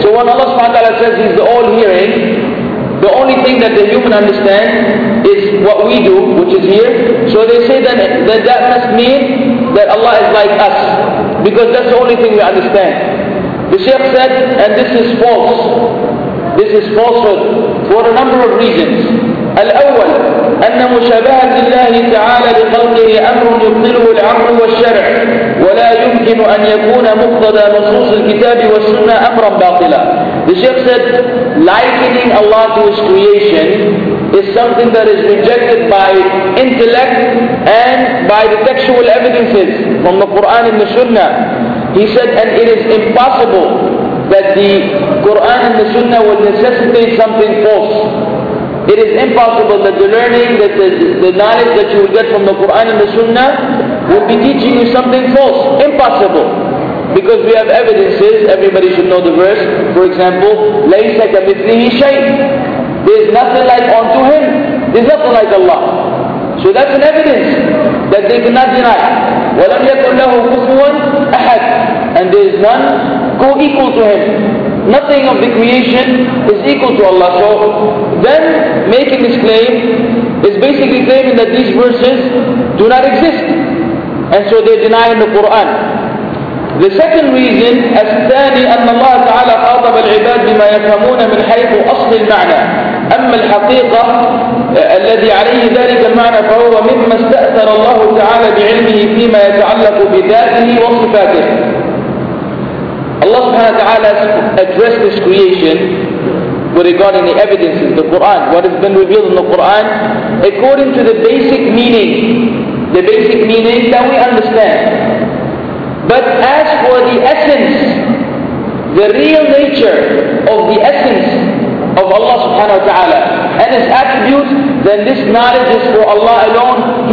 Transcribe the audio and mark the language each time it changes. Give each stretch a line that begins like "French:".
English: So when Allah subhanahu wa ta'ala says he's the all-hearing, the only thing that the human understand is what we do, which is here. So they say that must mean that Allah is like us, because that's the only thing we understand. The Shaykh said, and this is false. This is falsehood for a number of reasons.
Arabic: الأول أن مشابهة الله تعالى لخلقه أمر يبطله العقل والشرع ولا يمكن أن يكون مقتضى نصوص الكتاب والسنة أمرا باطلا.
English: The Shaykh said, likening Allah to his creation is something that is rejected by intellect and by the textual evidences from the Quran and the Sunnah. He said, and it is impossible that the Quran and the Sunnah would necessitate something false. It is impossible that the learning, that the knowledge that you will get from the Quran and the Sunnah will be teaching you something false. Impossible. Because we have evidences, everybody should know the verse. For example,
Arabic: لَيْسَ كَمِثْلِهِ شَيْءٍ.
English: There is nothing like unto him. There is nothing like Allah. So that's an evidence that they cannot deny.
Arabic: وَلَمْ يَكُنْ لَهُ كُفُوًا أَحَدٍ.
English: And there is none co-equal to him. Nothing of the creation is equal to Allah. So then making this claim is basically claiming that these verses do not exist. And so they're denying the Quran. The second reason,
Arabic: الثاني أن الله تعالى خاطب العباد بما يفهمون من حيث أصل المعنى. أما الحقيقة الذي عليه ذلك المعنى فهو مما استأثر الله تعالى بعلمه فيما يتعلق بذاته وصفاته.
English: Allah subhanahu wa ta'ala addressed his creation regarding the evidence in the Quran, what has been revealed in the Quran, according to the basic meaning that we understand. But as for the essence, the real nature of the essence of Allah subhanahu wa ta'ala and his attributes, then this knowledge is for Allah alone.